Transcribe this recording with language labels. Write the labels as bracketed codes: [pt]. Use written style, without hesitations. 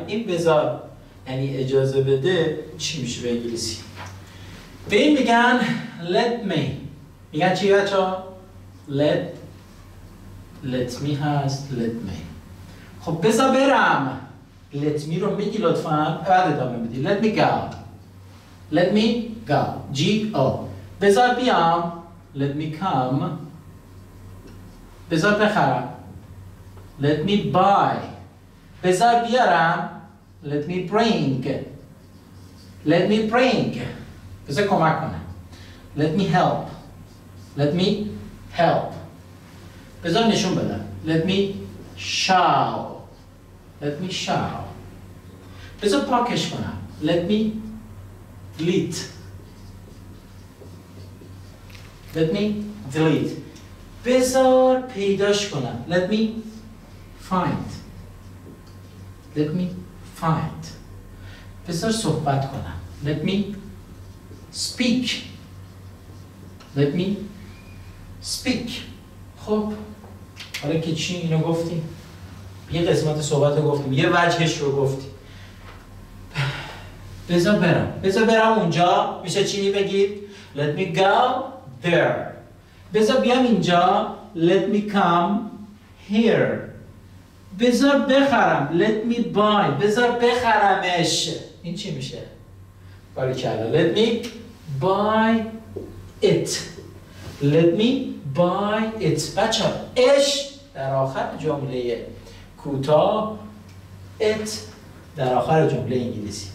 [fa] این بذار یعنی اجازه بده چی میشه به انگلیسی؟ به این میگن [en] let me. [fa] میگن چی بچه ها؟ [en] let me [fa] هست، [en] let me. [fa] خب بذار برم، [en] let me [fa] رو میگی لطفا بعد ادامه بدی. [en] let me go. let me go. G-O. [fa] بذار بیام، [en] let me come. [fa] بذار بخرم، [en] let me buy. [fa] بذار بیارم، [en] let me bring. let me bring. [fa] بذار کمک کنه، [en] let me help. let me help. [fa] بذار نشون بدم، [en] let me show. let me show. [fa] بذار پاکش کنم، [en] let me delete. let me delete. [fa] بذار پیداش کنم، [en] let me find. let me find. [fa] بذار صحبت کنم، [en] let me speak. let me speak. [fa] خب حالا که چی اینو گفتیم، یه قسمت صحبت رو گفتیم، یه وجهش رو گفتیم، بذار برم، بذار برم اونجا میشه چینی بگید؟ [en] let me go there. [fa] بذار بیام اینجا، [en] let me come here. [fa] بذار بخرم، [en] let me buy. [fa] بذار بخرمش، این چی میشه؟ باریکلا، [en] let me buy it. let me buy it. [fa] بچه اش در آخر جمله کوتاه، it در آخر جمله انگلیسی.